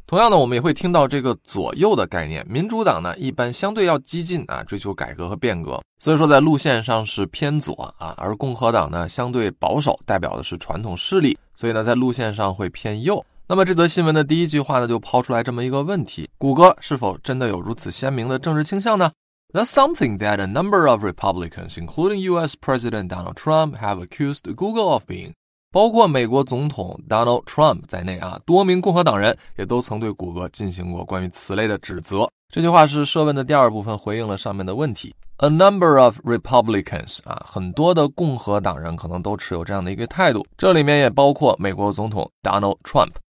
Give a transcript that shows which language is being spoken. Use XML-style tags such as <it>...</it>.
<zh>同样呢我们也会听到这个左右的概念。民主党呢一般相对要激进啊，追求改革和变革。所以说在路线上是偏左啊，而共和党呢相对保守，代表的是传统势力。所以呢在路线上会偏右。那么这则新闻的第一句话呢就抛出来这么一个问题。谷歌是否真的有如此鲜明的政治倾向呢？</zh> <en>That's something that a number of Republicans, including US President Donald Trump, have accused Google of being.</en> <zh>包括美国总统 Donald Trump 在内啊，多名共和党人也都曾对谷歌进行过关于此类的指责。这句话是设问的第二部分，回应了上面的问题。</zh> <en>A number of Republicans</en> <zh>啊，很多的共和党人可能都持有这样的一个态度，这里面也包括美国总统 Donald Trump。</zh>